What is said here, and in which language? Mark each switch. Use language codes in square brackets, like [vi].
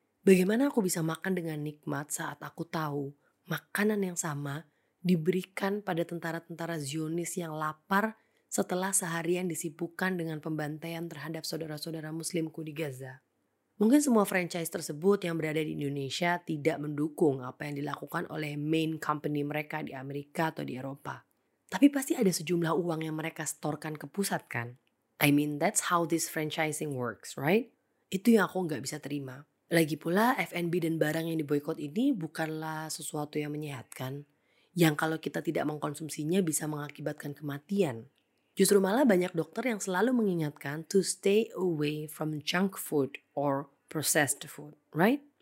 [id] Bagaimana aku bisa makan dengan nikmat saat aku tahu makanan yang sama diberikan pada tentara-tentara Zionis yang lapar setelah seharian disibukkan dengan pembantaian terhadap saudara-saudara muslimku di Gaza? Mungkin semua franchise tersebut yang berada di Indonesia tidak mendukung apa yang dilakukan oleh main company mereka di Amerika atau di Eropa. Tapi pasti ada sejumlah uang yang mereka setorkan ke pusat kan? [en] I mean that's how this franchising works, right? [id] Itu yang aku gak bisa terima. Lagi pula F&B dan barang yang diboikot ini bukanlah sesuatu yang menyehatkan, yang kalau kita tidak mengkonsumsinya bisa mengakibatkan kematian. Justru malah banyak dokter yang selalu mengingatkan [en] to stay away from junk food or processed food, right?